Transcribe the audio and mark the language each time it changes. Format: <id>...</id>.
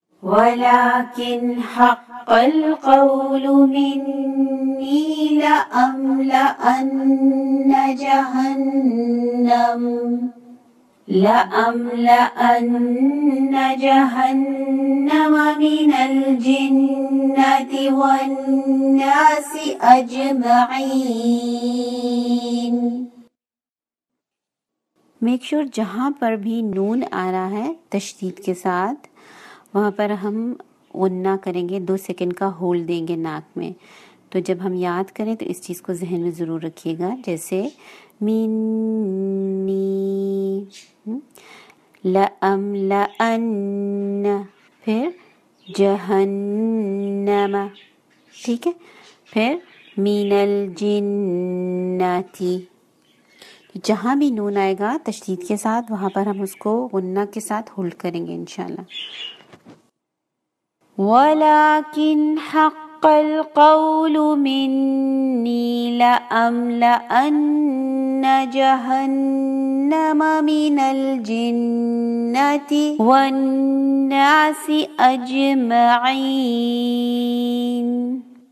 <ar>ولكن حق القول مني لأملأن جهنم لأملأن جهنم من الجنة والناس أجمعين.</ar> <en>Make sure</en> <ur>جہاں پر بھی نون آ رہا ہے تشدید کے ساتھ وہاں پر ہم غنہ کریں گے, دو سیکنڈ کا ہولڈ دیں گے ناک میں. تو جب ہم یاد کریں تو اس چیز کو ذہن میں ضرور رکھیے گا, جیسے منی لأم لأن پھر جہنم, ٹھیک ہے, پھر من الجنتی. جہاں بھی نون آئے گا تشدید کے ساتھ وہاں پر ہم اس کو غنہ کے ساتھ ہولڈ کریں گے انشاءاللہ.</ur> <ar>ولكن حق القول مني لأملأن جهنم من الجنة والناس أجمعين.</ar>